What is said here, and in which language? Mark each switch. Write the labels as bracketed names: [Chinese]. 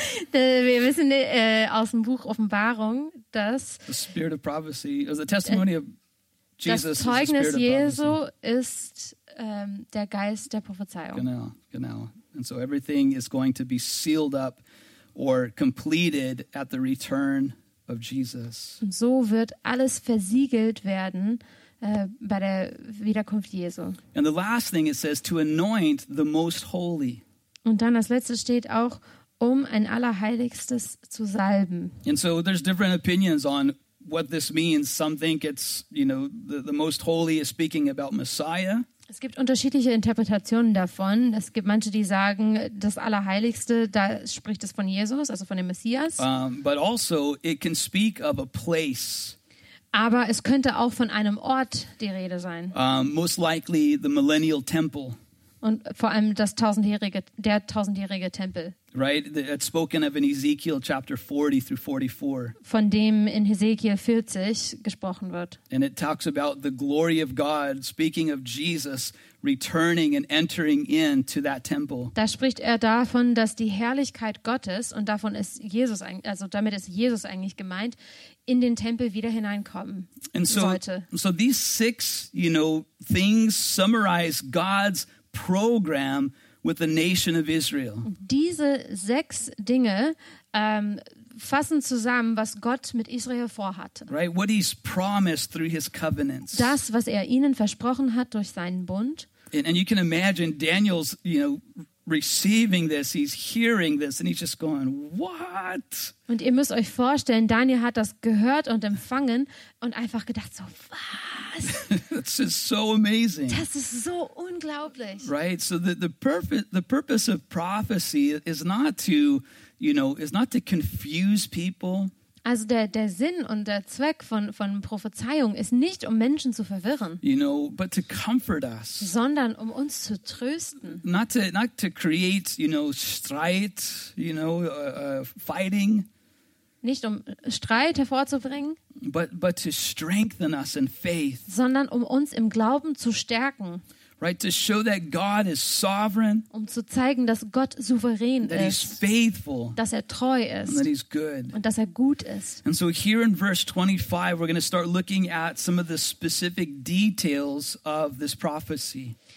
[German] Wir wissen aus dem Buch Offenbarung, dass [English] the spirit of prophecy is the testimony of Jesus. [German] Das Zeugnis [English] is the [German] Jesu [English] prophecy. [German] Ist der Geist der Prophezeiung. Genau, genau. [English] And so everything is going to be sealed up or completed at the return of Jesus. [German] Und so wird alles versiegelt werden bei der Wiederkunft Jesu. [English] And the last thing it says, to anoint the most holy. [German] Und dann das letzte steht auch, um ein Allerheiligstes zu salben. [English] And so there's different opinions on what this means. Some think it's, you know, the most holy is speaking about Messiah. [German] Es gibt unterschiedliche Interpretationen davon. Es gibt manche, die sagen, das Allerheiligste, da spricht es von Jesus, also von dem Messias. [English] But also it can speak of a place. [German] Aber es könnte auch von einem Ort die Rede sein. [English] Most likely the millennial temple. [German] Und vor allem das tausendjährige Tempel. [English] Right, it's spoken of in Ezekiel chapter 40 through 44. [German] Von dem in Ezekiel 40 gesprochen wird. [English] And it talks about the glory of God, speaking of Jesus returning and entering into that temple. [German] Da spricht er davon, dass die Herrlichkeit Gottes, und davon ist Jesus, also damit ist Jesus eigentlich gemeint, in den Tempel wieder hineinkommen sollte. [English] So these six, you know, things summarize God's program with the nation of Israel. [German] Diese sechs Dinge fassen zusammen, was Gott mit Israel vorhatte. [English] Right, what he's promised through his covenants. [German] Das, was er ihnen versprochen hat durch seinen Bund. [English] And you can imagine Daniel's, you know, receiving this, he's hearing this and he's just going, what? [German] Und ihr müsst euch vorstellen, Daniel hat das gehört und empfangen und einfach gedacht so, was? [English] That's just so amazing. [German] Das ist so unglaublich. [English] Right, so the purpose of prophecy is not to, you know, is not to confuse people. [German] Also der Sinn und der Zweck von Prophezeiung ist nicht, um Menschen zu verwirren, [English] you know, but to comfort us. [German] Sondern um uns zu trösten. [English] Not to create, you know, Streit, you know, fighting. [German] Nicht um Streit hervorzubringen. [English] But to strengthen us in faith. [German] Sondern um uns im Glauben zu stärken. [English] Right, to show that God is sovereign, [German] um zu zeigen, dass Gott souverän [English] that [German] ist, [English] he's faithful, [German] dass er treu ist, [English] and that he's good, [German] und dass er gut ist. [English] And so here in verse 25, we're going to start looking at some of the specific details of this prophecy.